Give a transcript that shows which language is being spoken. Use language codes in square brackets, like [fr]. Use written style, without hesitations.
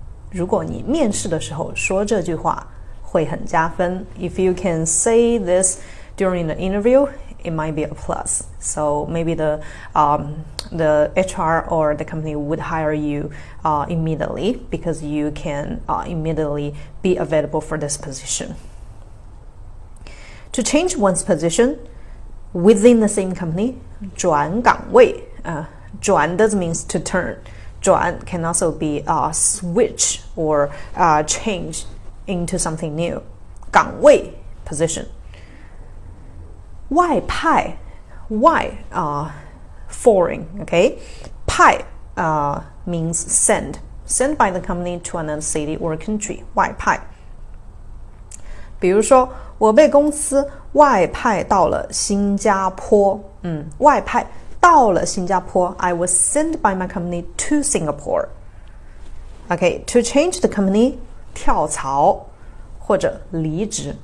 [zh] 如果你面试的时候说这句话，会很加分。 [en] If you can say this during the interview, it might be a plus. So maybe the HR or the company would hire you immediately because you can immediately be available for this position. To change one's position,Within the same company, 转岗位。转 does means to turn. 转 can also be a switch or a change into something new. [zh] 岗位 position. 外派 [en] why foreign, okay? 派 means send. Send by the company to another city or country. [zh] 外派。比如说我被公司外派到了新加坡。外派到了新加坡。 [en] I was sent by my company to Singapore. Okay, to change the company, [zh] 跳槽或者离职